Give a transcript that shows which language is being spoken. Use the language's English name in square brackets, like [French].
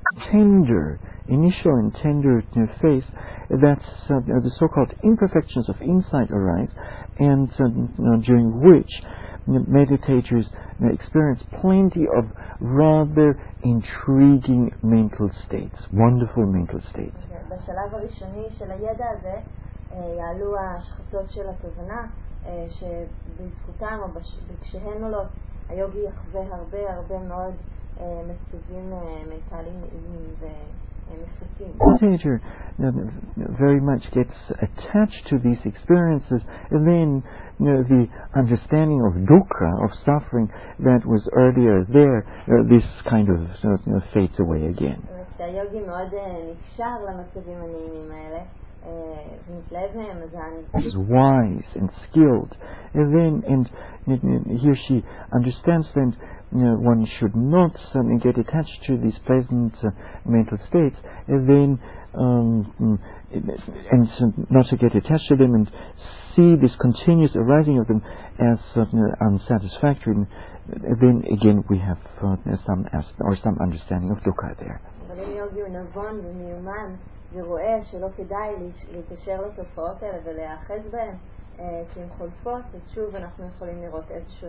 [English] Tender, initial and tender phase, that's the so-called imperfections of insight arise, and during which meditators experience plenty of rather intriguing mental states, wonderful mental states. [Hebrew] בשלב הראשוני של הידע הזה יעלו השחצות של התובנה שבזכותם או כשהן עולות היוגי יחווה הרבה הרבה מאוד מצבים מטליים נעימים ומפתים. [English] The teacher very much gets attached to these experiences, and then the understanding of dukkha, of suffering that was earlier there, this kind of fades away again. [Hebrew] שהיוגי מאוד נקשר למצבים הנעימים האלה ומתלהב מהם, אז אני [English] is wise and skilled, and then he or she understands that one should not get attached to these pleasant mental states, and then and not to get attached to them and see this continuous arising of them as unsatisfactory, then again we have some understanding of dukkha there. [Hebrew] אבל אם יוגי הוא נבון ומיומן ורואה שלא כדאי להתקשר לתופעות האלה ולהאחז בהן כי הן חולפות, אז שוב אנחנו יכולים לראות איזשהו